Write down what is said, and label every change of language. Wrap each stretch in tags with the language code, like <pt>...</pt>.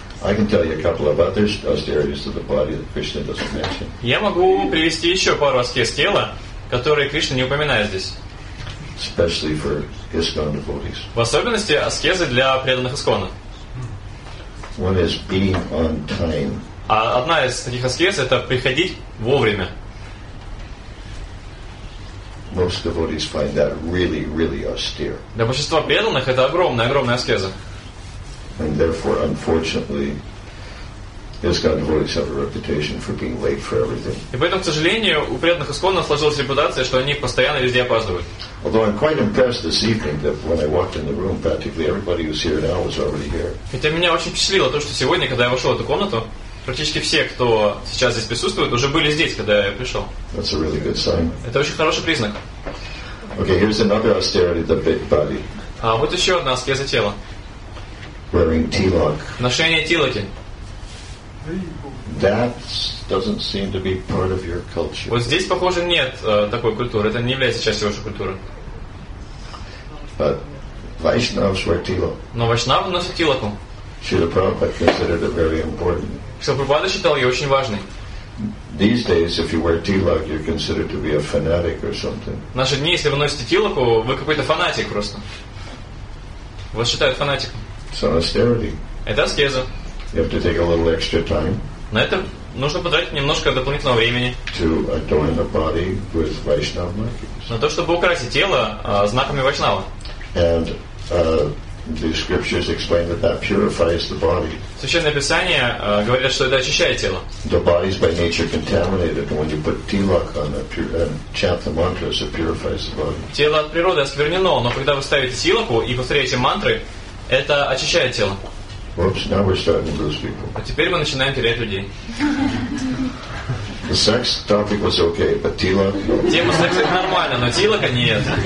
<en>I can tell you a couple of other austerities of the body that Krishna doesn't mention.</en> <ru>Я могу привести еще пару аскез тела, которые Кришна не упоминает здесь.</ru> <en>Especially for ISKCON devotees.</en> <ru>В особенности аскезы для преданных ISKCON.</ru> <en>One is being on time.</en> <ru>А одна из таких аскез это приходить вовремя.</ru> <en>Most devotees find that really, really austere.</en> <ru>Для большинства преданных это огромная, огромная аскеза.</ru> <en>And therefore, unfortunately, ISKCON devotees have a reputation for being late for everything.</en> <ru>И поэтому, к сожалению, у преданных ISKCON сложилась репутация, что они постоянно везде опаздывают.</ru> <en>Although I'm quite impressed this evening that when I walked in the room, practically everybody who's here now was already here.</en> <ru>Хотя меня очень впечатлило то, что сегодня, когда я вошел в эту комнату, практически все, кто сейчас здесь присутствует, уже были здесь, когда я пришел.</ru> <en>That's a really good sign.</en> <ru>Это очень хороший признак.</ru> <en>Okay, here's another austerity, the big body.</en> <ru>А вот еще одна аскеза тела.</ru> <en>Wearing tilak.</en> <ru>Ношение тилаки.</ru> <en>That doesn't seem to be part of your culture.</en> <ru>Вот здесь, похоже, нет такой культуры. Это не является частью вашей культуры.</ru> <en>But Vaishnavs wear tilak.</en> <ru>Но вайшнавы носят тилаку.</ru> <en>Шрила Прабхупада considered it very important.</en> <ru>Шрила Прабхупада считал ее очень важной.</ru> <en>These days, if you wear tilak, you're considered to be a fanatic or something.</en> <ru>В наши дни, если вы носите тилаку, вы какой-то фанатик просто. Вас считают фанатиком.</ru> <en>It's an austerity.</en> <ru>Это аскеза.</ru> <en>You have to take a little extra time.</en> <ru>На это нужно потратить немножко дополнительного времени.</ru> <en>To adorn the body with Vaishnava markings.</en> <ru>На то, чтобы украсить тело знаками вайшнава.</ru> <en>And the scriptures explain that that purifies the body.</en> <ru>Священное Писание говорит, что это очищает тело.</ru> <en>The body is by nature contaminated, but when you put tilak on it and chant the mantras, it purifies the body.</en> <ru>Тело от природы осквернено, но когда вы ставите тилаку и повторяете мантры, это очищает тело.</ru> <en>Oops, now we're starting to lose people.</en> <ru>А теперь мы начинаем терять людей.</ru> <en>The sex topic was okay, but tilak.</en> <ru>Тема секса нормальна, но тилака нет.</ru>